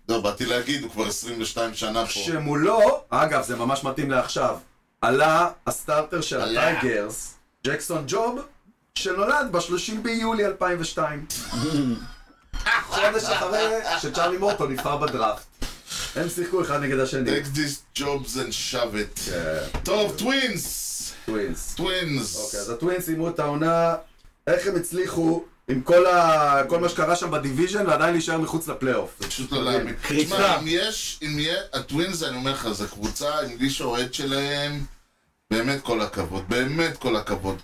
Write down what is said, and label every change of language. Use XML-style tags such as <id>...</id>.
<he>לא, באתי להגיד, הוא כבר 22 שנה פה. שמולו, אגב, זה ממש מתאים לעכשיו, עלה הסטארטר של הטייגרס, ג'קסון ג'וב, שנולד ב-30 ביולי 2002. חודש אחרי שצ'רלי מורטון נבחר בדראפט. הם שיחקו אחד נגד השני.</he> <en>Take this jobs and shove it.</en> <he>טוב, טווינס! טווינס. טווינס. אוקיי, אז הטווינס אימו את העונה. איך הם הצליחו עם כל מה שקרה שם בדיוויז'ן ועדיין להישאר מחוץ לפלייאוף? זה פשוט לא להם. אם יש, אם יהיה, הטווינס, אני אומר לך, זה קבוצה עם מי שאוהד שלהם, באמת כל הכבוד, באמת כל הכבוד.</he>